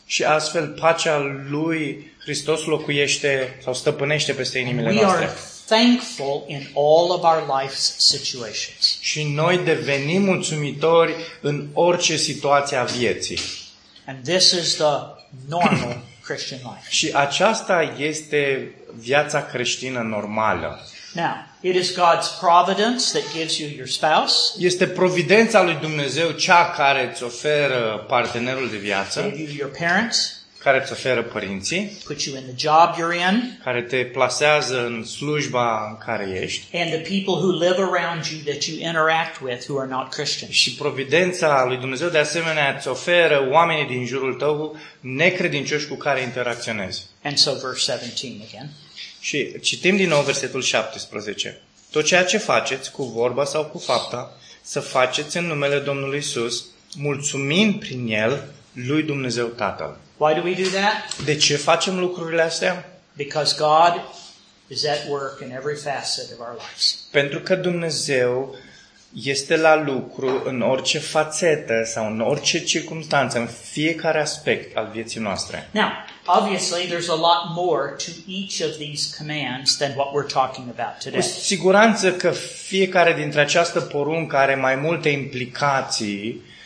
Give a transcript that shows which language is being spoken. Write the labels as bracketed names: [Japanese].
[Romanian] Și astfel pacea lui Hristos locuiește sau stăpânește peste inimile noastre. [English] Thankful in all of our life's situations. [Romanian] Și noi devenim mulțumitori în orice situație a vieții. [English] And this is the normal Christian life. [Romanian] Și aceasta este viața creștină normală. [English] Now, it is God's providence that gives you your spouse. [Romanian] Este providența lui Dumnezeu cea care îți oferă partenerul de viață. [English] Gave you your parents. [Romanian] Care îți oferă părinții, [English] put you in the job you're in, [Romanian] care te plasează în slujba în care ești, [English] and the people who live around you that you interact with who are not Christian. [Romanian] Și providența lui Dumnezeu de asemenea îți oferă oamenii din jurul tău necredincioși cu care interacționezi. [English] And so verse 17 again. [Romanian] Și citim din nou versetul 17. Tot ceea ce faceți, cu vorba sau cu fapta, să faceți în numele Domnului Iisus, mulțumind prin El lui Dumnezeu Tatăl. [English] Why do we do that? [Romanian] De ce facem lucrurile astea? [English] Because God is at work in every facet of our lives. [Romanian] Pentru că Dumnezeu este la lucru în orice fațetă sau în orice circumstanță, în fiecare aspect al vieții noastre. [English] Now, obviously there's a lot more to each of these commands than what we're talking about today. [Romanian] Cu siguranță că fiecare dintre această poruncă are mai multe implicații.